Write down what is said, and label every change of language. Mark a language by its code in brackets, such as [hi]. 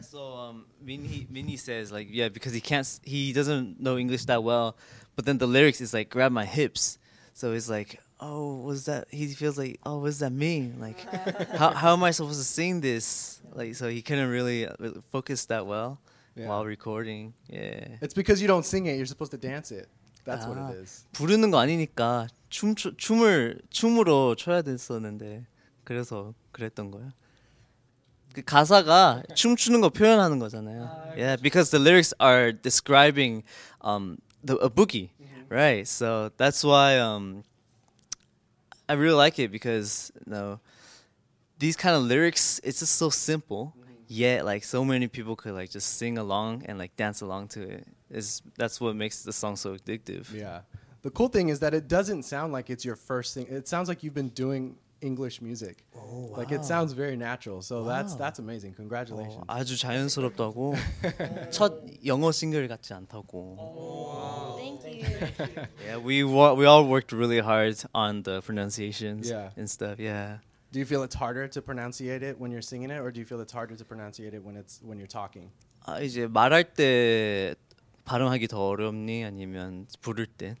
[en] So Minhee says like yeah because he doesn't know English that well. But then the lyrics is like grab my hips. So it's like what does that mean? Like how am I supposed to sing this? Like, so he couldn't really focus that well while recording. Yeah. It's because you don't sing it. You're supposed to dance it. That's what it is. [ko] 부르는 거 아니니까 춤으로 춰야 됐었는데 그래서 그랬던 거야. 그 가사가 춤추는 거 표현하는 거잖아요. [en] Yeah, because the lyrics are describing a boogie, right? So that's why I really like it because, you know, these kind of lyrics, it's just so simple, yet like so many people could like just sing along and like dance along to it. That's what makes the song so addictive. Yeah. The cool thing is that it doesn't sound like it's your first thing. It sounds like you've been doing English music. Oh, wow. Like it sounds very natural. So that's amazing. Congratulations. [ko] Oh, 아주 자연스럽다고. 첫 영어 싱글 같지 않다고. [en] Oh, wow. Thank you. Yeah, we all worked really hard on the pronunciations and stuff. Yeah. Do you feel it's harder to pronounce it when you're singing it, or do you feel it's harder to pronounce it when you're talking? [ko] 이제 말할 때 발음하기 더 어렵니 아니면 부를 때?